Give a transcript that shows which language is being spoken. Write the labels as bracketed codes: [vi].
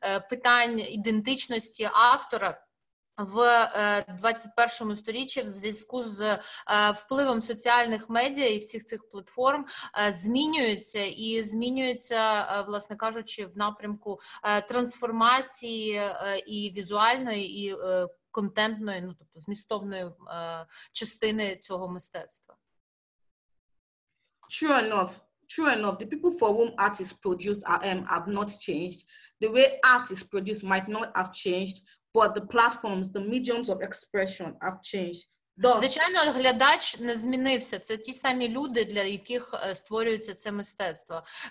[uk] питань ідентичності автора, в 21-му сторіччі в зв'язку з впливом соціальних медіа і всіх цих платформ змінюється і змінюється, власне кажучи, в напрямку трансформації і візуальної, і контентної, ну, тобто змістовної частини цього мистецтва. [en] True enough. The people for whom art is produced have not changed. The way art is produced might not have changed, but the platforms, the mediums of expression have changed. [uk] Звичайно, глядач не змінився. Це ті самі люди, для яких створюється це мистецтво.